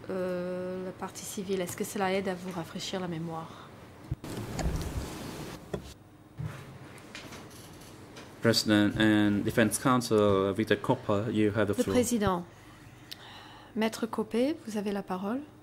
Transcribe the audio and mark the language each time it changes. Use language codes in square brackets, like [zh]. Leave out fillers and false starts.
[fr] La partie civile, est-ce que cela aide à vous rafraîchir la mémoire? [en] President and Defense Counsel Victor Koppe, you have the floor. [fr] Le président, Maître Koppe, vous avez la parole.